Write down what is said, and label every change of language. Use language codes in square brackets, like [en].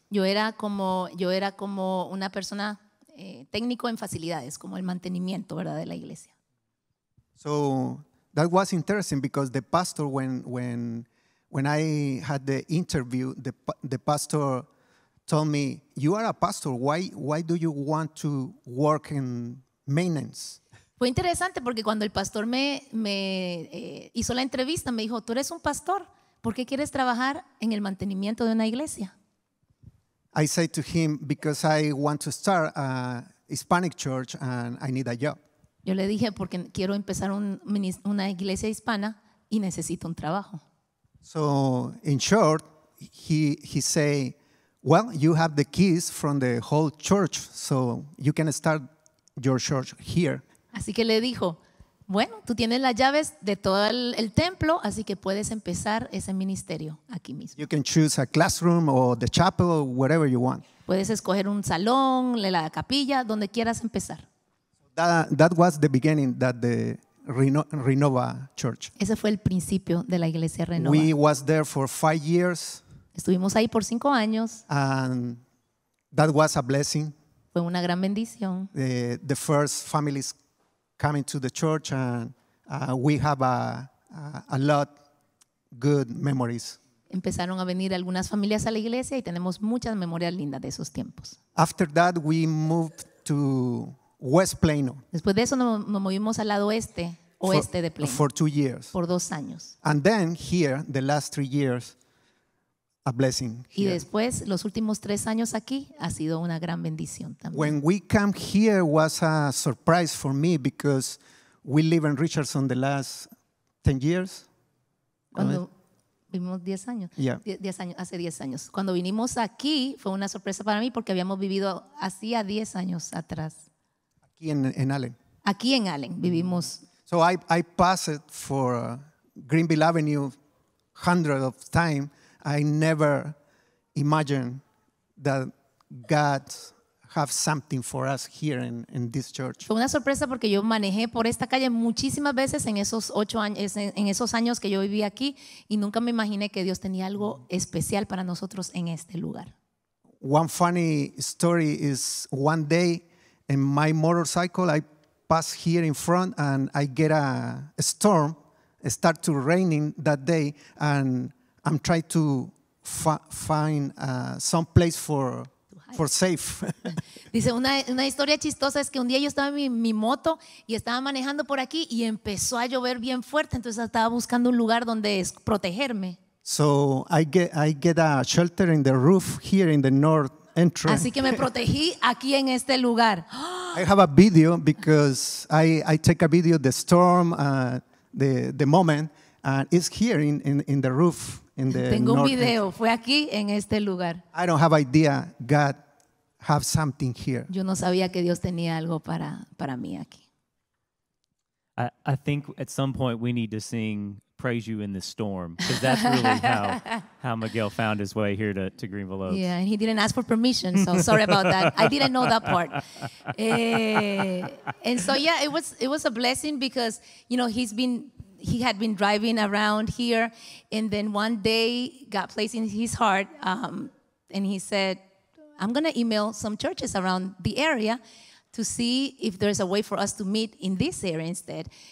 [es] Yo era como una persona técnico en facilidades, como el mantenimiento, ¿verdad?, de la iglesia. [en] So that was interesting because the pastor when I had the interview, the pastor told me, "You are a pastor, why do you want to work in maintenance?" [es] Fue interesante porque cuando el pastor me hizo la entrevista, me dijo, "Tú eres un pastor, ¿por qué quieres trabajar en el mantenimiento de una iglesia?" [en] I said to him, "Because I want to start a Hispanic church and I need a job." [es] Yo le dije, "Porque quiero empezar una iglesia hispana y necesito un trabajo." [en] So, in short, he say, "Well, you have the keys from the whole church, so you can start your church here." [es] Así que le dijo, "Bueno, tú tienes las llaves de todo el templo, así que puedes empezar ese ministerio aquí mismo." [en] You can choose a classroom or the chapel, whatever you want. [es] Puedes escoger un salón, la capilla, donde quieras empezar. [en] That was the beginning that the Renova Church. [es] Ese fue el principio de la iglesia Renova. [en] We was there for 5 years. [es] Estuvimos ahí por 5 años. [en] And that was a blessing. [es] Fue una gran bendición. [en] The first families coming to the church and we have a lot good memories. [es] Empezaron a venir algunas familias a la iglesia y tenemos muchas memorias lindas de esos tiempos. [en] After that we moved to West Plano. [es] Después de eso nos movimos al lado oeste de Plano. [en] For 2 years. [es] Por 2 años. [en] And then here the last 3 years a blessing. [es] Y después los últimos 3 años aquí ha sido una gran bendición también. [en] When we came here was a surprise for me because we live in Richardson the last 10 years. [es] Cuando vivimos 10 años. [en] Yeah. [es] 10 años, hace 10 años. Cuando vinimos aquí fue una sorpresa para mí porque habíamos vivido hacía 10 años atrás. Aquí en Allen. Aquí en Allen vivimos. [en] So I passed for Greenville Avenue hundreds of times. I never imagined that God have something for us here in this church. [es] Fue una sorpresa porque yo manejé por esta calle muchísimas veces en esos 8 años, en esos años que yo viví aquí, y nunca me imaginé que Dios tenía algo especial para nosotros en este lugar. [en] One funny story is one day in my motorcycle I pass here in front and I get a storm. It start to raining that day and I'm trying to find some place for safe. [es] Dice una historia chistosa es que un día yo estaba en mi moto y estaba manejando por aquí y empezó a llover bien fuerte, entonces estaba buscando un lugar donde protegerme. [en] So I get a shelter in the roof here in the north entrance. [es] Así que me protegí aquí en este lugar. [en] I have a video because I take a video of the storm the moment and it's here in the roof. [es] Tengo un video, fue aquí en este lugar. [en] I don't have idea God have something here. [es] Yo no sabía que Dios tenía algo para mí aquí. [en] I think at some point we need to sing "Praise You in the Storm" because that's really how Miguel found his way here to Greenville Oaks. Yeah, and he didn't ask for permission, so sorry about that. I didn't know that part. And so yeah, it was a blessing because you know he had been driving around here, and then one day God placed in his heart, and he said, "I'm going to email some churches around the area to see if there's a way for us to meet in this area instead."